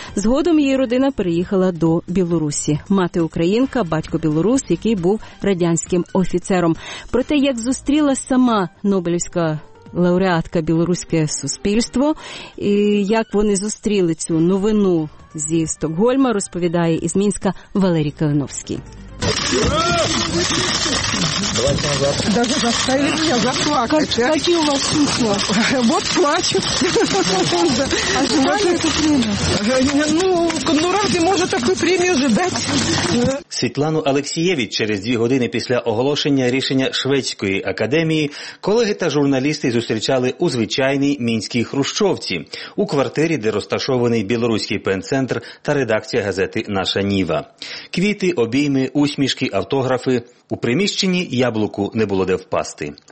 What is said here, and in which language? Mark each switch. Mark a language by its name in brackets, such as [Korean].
[Ukrainian] Згодом її родина переїхала до Білорусі. Мати українка, батько білорус, який був радянським офіцером. Про те, як зустріла сама Нобелівська лауреатка білоруське суспільство, і як вони зустріли цю новину зі Стокгольма, розповідає із Мінська Валерій Калиновський. Давайте назад. [Russian] Даже заставили меня заплакать. Какие у вас чувства? Вот плачут. Ожидали эту премию? Ну, разве можно такую премию ожидать? [Ukrainian] Світлану Алексієвіч через 2 години після оголошення рішення Шведської академії колеги та журналісти зустрічали у звичайній мінській Хрущовці, у квартирі, де розташований білоруський пен-центр та редакція газети «Наша Ніва». Квіти, обійми, усмішки, автографи. У приміщенні яблуку не було де впасти.